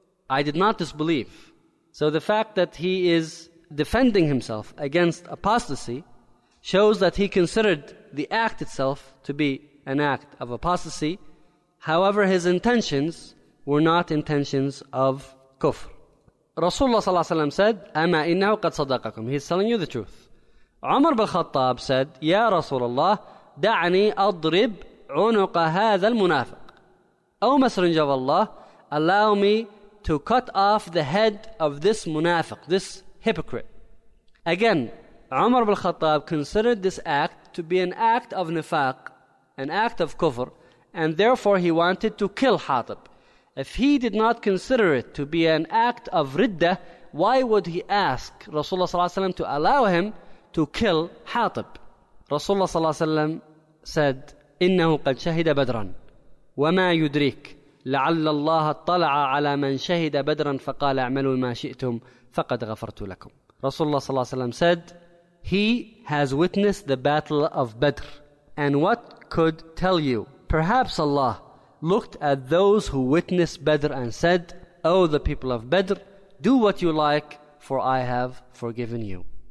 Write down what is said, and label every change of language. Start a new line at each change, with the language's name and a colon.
English: I did not disbelieve. So the fact that he is defending himself against apostasy shows that he considered the act itself to be an act of apostasy. However, his intentions were not intentions of kufr. Rasulullah sallallahu alayhi wa sallam said,
Arabic: أَمَا إِنَّهُ قَدْ صَدَقَكُمْ.
English: He's telling you the truth. Umar bin Khattab said,
Arabic: يَا رَسُولَ اللَّهِ دَعْنِي أَضْرِبْ عُنُقَ هَذَا الْمُنَافِقِ.
English: O Messenger of Allah, allow me to cut off the head of this munafiq, this hypocrite. Again, Umar bin Khattab considered this act to be an act of nifaq, an act of kufr, and therefore he wanted to kill Hatib. If he did not consider it to be an act of ridda, why would he ask Rasulullah sallallahu alaihi wasallam to allow him to kill Hatib?
Arabic: Rasulullah sallallahu alaihi wasallam
English: said,
Arabic: "Innahu qad shahida badran, wama yudrik, لعل الله اطلع على من شهد بدرا فقال اعملوا ما شئتم فقد غفرت لكم."
English: Rasulullah sallallahu alaihi wasallam said, "He has witnessed the battle of Badr, and what could tell you? Perhaps Allah looked at those who witnessed Badr and said, 'O the people of Badr, do what you like, for I have forgiven you.'"